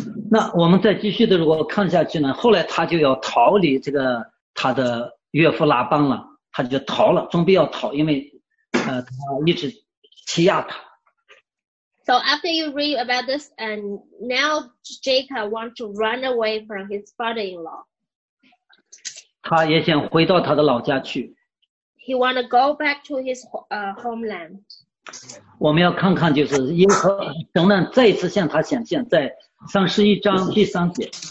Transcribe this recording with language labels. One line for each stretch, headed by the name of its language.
Chinese: 那我们再继续的，如果看下去呢？后来他就要逃离这个。他的岳父拉班了，他就逃了，总比要逃，因为他一直欺压他。
English: So after you read about this, and now Jacob wants to run away from his father-in-law.
Chinese: 他也想回到他的老家去。
English: He want to go back to his homeland.
Chinese: 我们要看看，就是耶和神呢再一次向他显现，在31章第3节。